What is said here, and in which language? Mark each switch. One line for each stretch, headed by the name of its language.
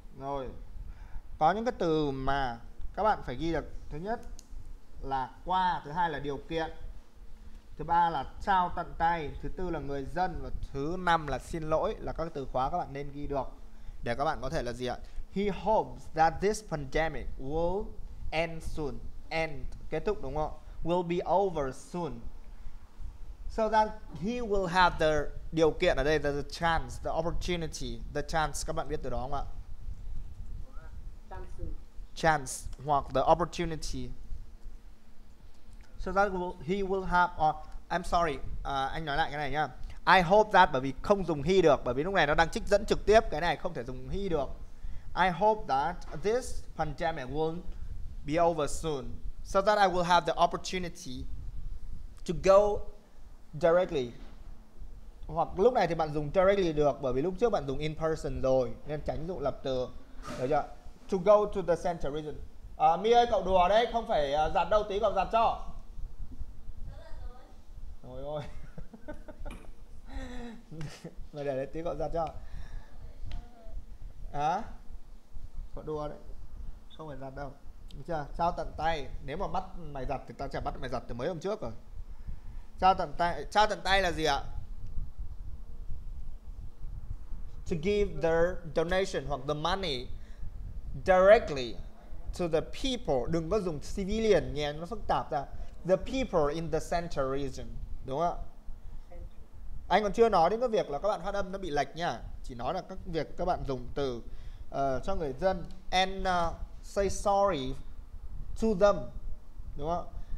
Vietnamese: Rồi. Có những cái từ mà các bạn phải ghi được, thứ nhất là qua, thứ hai là điều kiện, thứ ba là trao tận tay, thứ tư là người dân, và thứ năm là xin lỗi, là các từ khóa các bạn nên ghi được để các bạn có thể là gì ạ?
English: He hopes that this pandemic will end soon. End,
Vietnamese: kết thúc đúng không?
English: Will be over soon. So that he will have the
Vietnamese: điều kiện ở đây,
English: the chance, the opportunity, the chance,
Vietnamese: các bạn biết từ đó không ạ?
English: Chance hoặc the opportunity. So that will, he will have, I'm sorry,
Vietnamese: anh nói lại cái này nhá.
English: I hope that,
Vietnamese: bởi vì không dùng he được, bởi vì lúc này nó đang trích dẫn trực tiếp, cái này không thể dùng he được.
English: I hope that this pandemic will be over soon, so that I will have the opportunity to go directly.
Vietnamese: Hoặc lúc này thì bạn dùng directly được, bởi vì lúc trước bạn dùng
English: in person
Vietnamese: rồi, nên tránh dụng lập từ, được chưa?
English: To go to the center region.
Vietnamese: Mi ơi, cậu đùa đấy, không phải giặt đâu, tí cậu giặt cho. Ôi ôi. Mày để đấy, tí cậu giặt cho. Hả? À? Cậu đùa đấy, không phải giặt đâu. Được chưa? Trao tận tay. Nếu mà bắt mày giặt thì tao chả bắt mày giặt từ mấy hôm trước rồi. Trao tận tay. Trao tận tay là gì ạ?
English: To give their donation hoặc the money directly to the people.
Vietnamese: Đừng có dùng civilian, nghe nó phức tạp ra.
English: The people in the center region,
Vietnamese: đúng không ạ? Anh còn chưa nói đến cái việc là các bạn phát âm nó bị lệch nha. Chỉ nói là các việc các bạn dùng từ cho người dân.
English: And say sorry to them,
Vietnamese: đúng không?